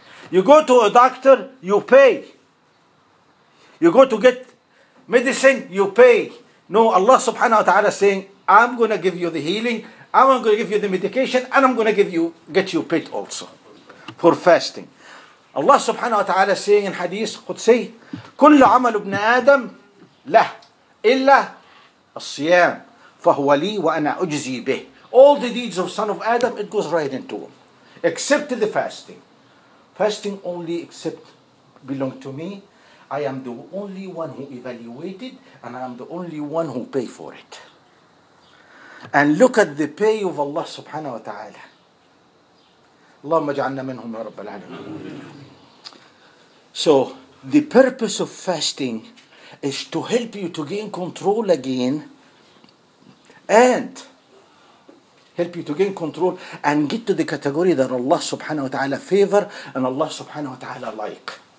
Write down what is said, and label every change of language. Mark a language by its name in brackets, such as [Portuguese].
[English] You go to a doctor, you pay. You go to get medicine, you pay. No, Allah subhanahu wa ta'ala is saying, I'm going to give you the healing, I'm going to give you the medication, and I'm going to get you paid also for fasting. Allah subhanahu wa ta'ala is saying in Hadith Qudsi, [Arabic] كل عمل ابن آدم له إلا الصيام فهو لي وأنا أجزي به. [English] All the deeds of son of Adam, it goes right into him. Except the fasting. Fasting only except belong to me. I am the only one who evaluated, and I am the only one who pay for it. And look at the pay of Allah subhanahu wa ta'ala. [Arabic] اللهم اجعلنا منهم يا رب العالمين. [English] So the purpose of fasting is to help you to gain control again and help you to gain control and get to the category that Allah subhanahu wa ta'ala favor and Allah subhanahu wa ta'ala like.